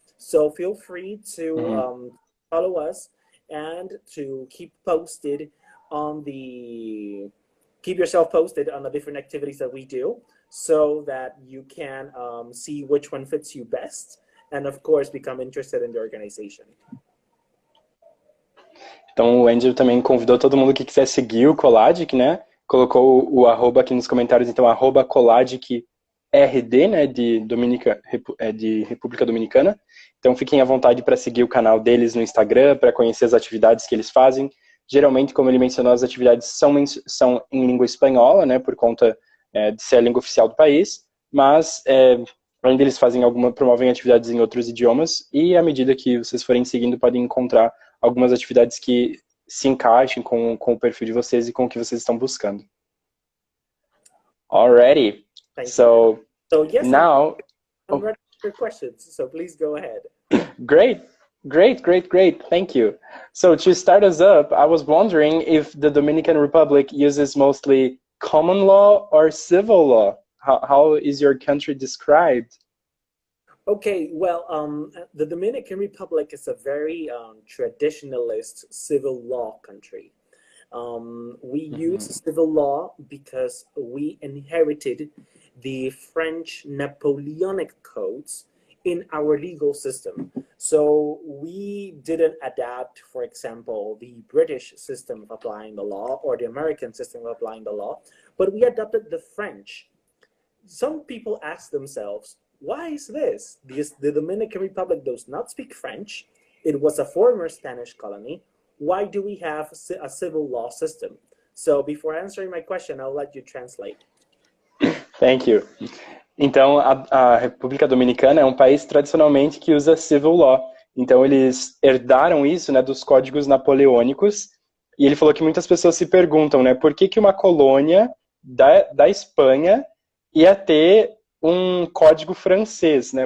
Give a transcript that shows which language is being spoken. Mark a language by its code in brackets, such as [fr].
[en] So feel free to follow us and to keep yourself posted on the different activities that we do, so that you can see which one fits you best, and of course become interested in the organization. [pt] Então, o Andrew também convidou todo mundo que quiser seguir o Coladic, né? Colocou o arroba aqui nos comentários, então, arroba Coladic RD, né? De República Dominicana. Então, fiquem à vontade para seguir o canal deles no Instagram, para conhecer as atividades que eles fazem. Geralmente, como ele mencionou, as atividades são em língua espanhola, né? Por conta de ser a língua oficial do país. Mas, ainda eles fazem promovem atividades em outros idiomas. E, à medida que vocês forem seguindo, podem encontrar algumas atividades que se encaixem com o perfil de vocês e com o que vocês estão buscando. [en] Alrighty. So now... I'm ready for your questions, so please go ahead. Great. Thank you. So to start us up, I was wondering if the Dominican Republic uses mostly common law or civil law? How is your country described? Okay, well, the Dominican Republic is a very traditionalist civil law country. We use civil law because we inherited the French Napoleonic codes in our legal system. So we didn't adapt, for example, the British system of applying the law or the American system of applying the law, but we adopted the French. Some people ask themselves, why is this? Because the Dominican Republic does not speak French. It was a former Spanish colony. Why do we have a civil law system? So before answering my question, I'll let you translate. Thank you. [pt] Então, a República Dominicana é um país tradicionalmente que usa civil law. Então, eles herdaram isso, né, dos códigos napoleônicos. E ele falou que muitas pessoas se perguntam, né, por que que uma colônia da Espanha ia ter um código francês, né?